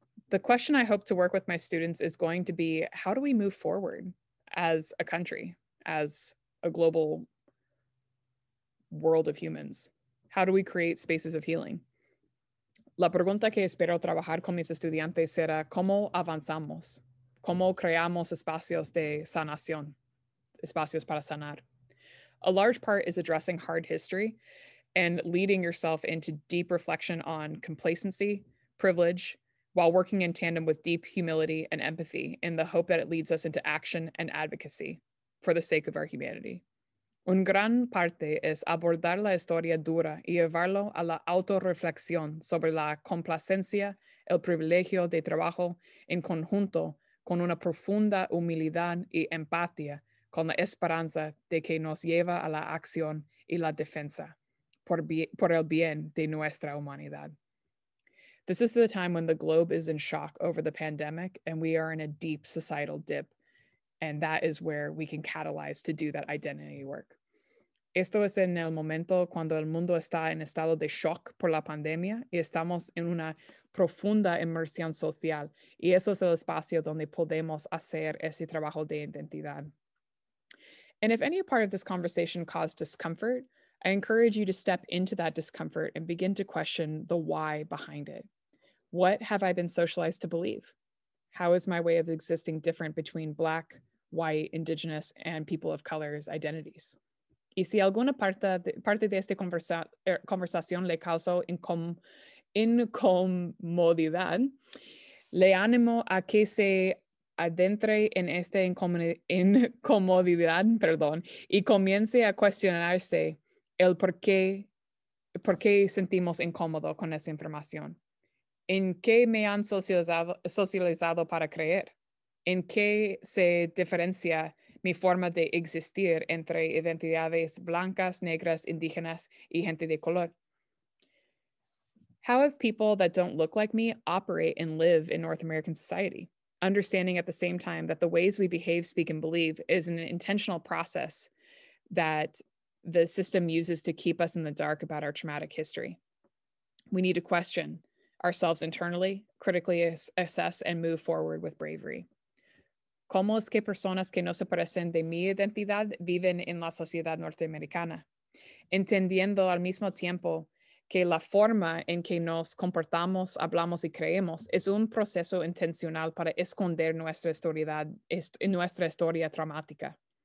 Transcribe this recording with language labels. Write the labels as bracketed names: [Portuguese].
[English] The question I hope to work with my students is going to be, how do we move forward as a country, as a global world of humans? How do we create spaces of healing? [Spanish] La pregunta que espero trabajar con mis estudiantes será, ¿cómo avanzamos? ¿Cómo creamos espacios de sanación? Espacios para sanar. [English] A large part is addressing hard history and leading yourself into deep reflection on complacency, privilege, while working in tandem with deep humility and empathy in the hope that it leads us into action and advocacy for the sake of our humanity. [Spanish] Un gran parte es abordar la historia dura y llevarlo a la autorreflexión sobre la complacencia, el privilegio de trabajo en conjunto con una profunda humildad y empatía con la esperanza de que nos lleva a la acción y la defensa por el bien de nuestra humanidad. [English] This is the time when the globe is in shock over the pandemic and we are in a deep societal dip. And that is where we can catalyze to do that identity work. [Spanish] Esto es en el momento cuando el mundo está en estado de shock por la pandemia y estamos en una profunda inmersión social. Y eso es el espacio donde podemos hacer ese trabajo de identidad. [English] And if any part of this conversation caused discomfort, I encourage you to step into that discomfort and begin to question the why behind it. What have I been socialized to believe? How is my way of existing different between Black, White, Indigenous, and people of color's identities? [Spanish] Y si alguna parte de esta conversación le causó incomodidad, le animo a que se adentre en esta incomodidad, perdón, y comience a cuestionarse el por qué sentimos incómodo con esa información. ¿En qué me han socializado para creer? ¿En qué se diferencia mi forma de existir entre identidades blancas, negras, indígenas, y gente de color? [English] How have people that don't look like me operate and live in North American society? Understanding at the same time that the ways we behave, speak, and believe is an intentional process that the system uses to keep us in the dark about our traumatic history. We need to question ourselves internally, critically assess, and move forward with bravery. [Spanish] ¿Cómo es que personas que no se parecen de mi identidad viven en la sociedad norteamericana? Entendiendo al mismo tiempo que la forma en que nos comportamos, hablamos y creemos es un proceso intencional para esconder nuestra historia traumática.